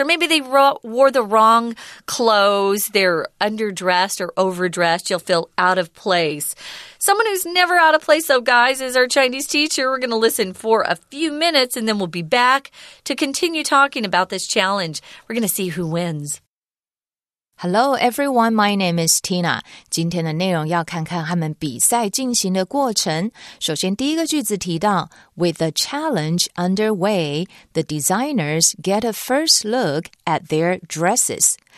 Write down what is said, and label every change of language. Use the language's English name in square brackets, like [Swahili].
[English] Or maybe they wore the wrong clothes. They're underdressed or overdressed. You'll feel out of place. Someone who's never out of place, though, guys, is our Chinese teacher. We're going to listen for a few minutes and then we'll be back to continue talking about this challenge. We're going to see who wins. Hello, everyone. My name is Tina. [Chinese] 今天的内容要看看他们比赛进行的过程。首先第一个句子提到 [English] With the challenge underway, the designers get a first look at their dresses.